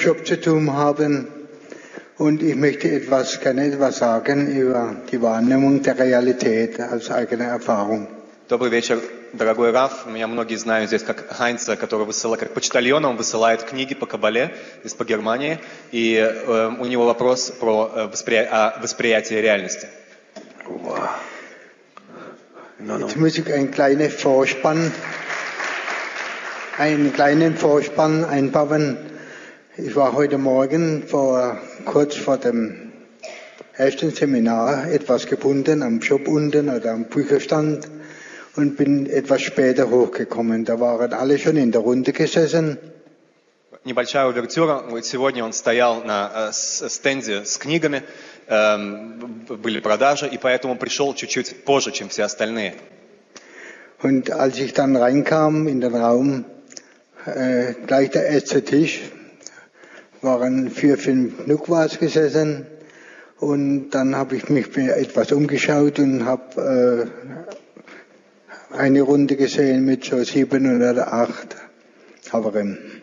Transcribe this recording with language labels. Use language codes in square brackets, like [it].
[de] Job zu tun haben, und ich möchte gerne etwas sagen über die Wahrnehmung der Realität als eigene Erfahrung. [ru] Добрый вечер, дорогой Раф. Меня многие знают здесь как Хайнца, который высылает, как почтальон, он высылает книги по Кабале из по Германии, и у него вопрос про восприятие реальности. [de] Jetzt muss ich ein kleines Vorspann. Einen kleinen Vorspann einbauen. Ich war heute Morgen kurz vor dem ersten Seminar etwas gebunden am Shop unten oder am Bücherstand und bin etwas später hochgekommen. Da waren alle schon in der Runde gesessen. [ru] Небольшая увертюра. Сегодня он стоял на стенде с книгами, были продажи, и поэтому пришел чуть-чуть позже, чем все остальные. [de] Und als ich dann reinkam in den Raum, gleich der erste Tisch waren 4-5 Nukwas gesessen und dann habe ich mich etwas umgeschaut und habe eine Runde gesehen mit so 7 oder 8 Havarim.